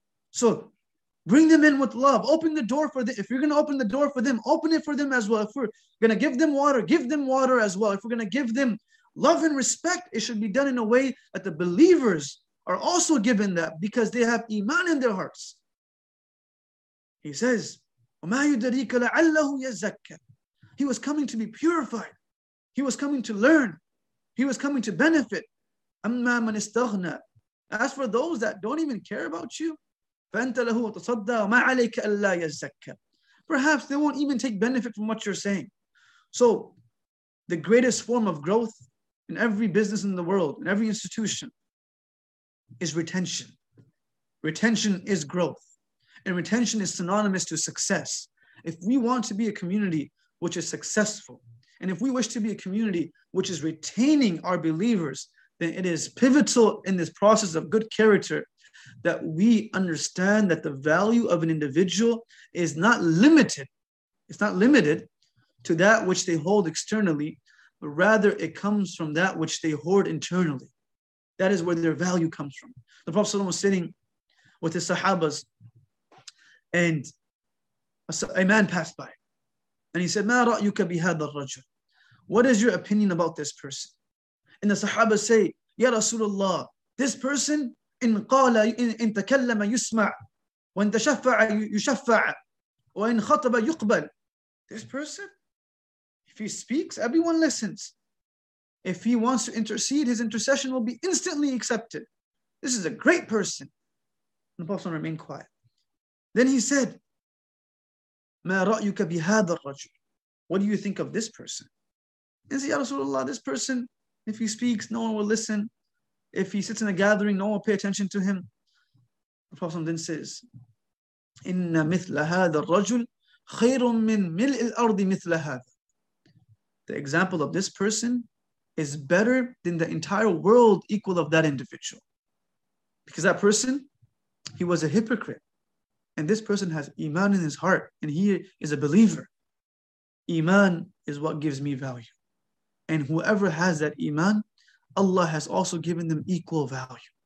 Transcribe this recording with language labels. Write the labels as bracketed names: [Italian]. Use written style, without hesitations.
[English] So bring them in with love. Open the door for them. If you're going to open the door for them, open it for them as well. If we're going to give them water as well. If we're going to give them love and respect, it should be done in a way that the believers are also given that because they have iman in their hearts. He says, [Arabic] وَمَا يُدْرِيكَ لَعَلَّهُ يَزَّكَّ. [English] He was coming to be purified. He was coming to learn. He was coming to benefit. [Arabic] أَمَّا مَنِ اسْتَغْنَى. [English] As for those that don't even care about you, [Arabic] فَأَنْتَ لَهُ وَتَصَدَّى وَمَا عَلَيْكَ أَلَّا يَزَّكَّ. [English] Perhaps they won't even take benefit from what you're saying. So the greatest form of growth in every business in the world, in every institution, is retention. Retention is growth. And retention is synonymous to success. If we want to be a community which is successful, and if we wish to be a community which is retaining our believers, then it is pivotal in this process of good character that we understand that the value of an individual is not limited. It's not limited to that which they hold externally, but rather it comes from that which they hoard internally. That is where their value comes from. The Prophet ﷺ was sitting with his sahabas, and a man passed by. And he said, [Arabic] مَا رَأْيُكَ بِهَذَا الرَّجُلِ. [English] What is your opinion about this person? And the sahabas say, [Arabic] يَا رَسُولَ اللَّهِ. [English] This person, [Arabic] إِنْ قَالَ إِنْ تَكَلَّمَ يُسْمَعَ وَإِنْ تَشَفَّعَ يُشَفَّعَ وَإِنْ خَطَبَ يُقْبَلَ. [English] This person, if he speaks, everyone listens. If he wants to intercede, his intercession will be instantly accepted. This is a great person. And the Prophet remained quiet. Then he said, [Arabic] مَا رَأْيُكَ بِهَذَا الرَّجُلِ. [English] What do you think of this person? And say, Ya Rasulullah, this person, if he speaks, no one will listen. If he sits in a gathering, no one will pay attention to him. The Prophet then says, [Arabic] إِنَّ مِثْلَ هَذَا الرَّجُلِ خَيْرٌ مِّن مِلْءِ الْأَرْضِ مِثْلَ هَذَا. [English] The example of this person is better than the entire world equal of that individual. Because that person, he was a hypocrite. And this person has iman in his heart, and he is a believer. Iman is what gives me value. And whoever has that iman, Allah has also given them equal value.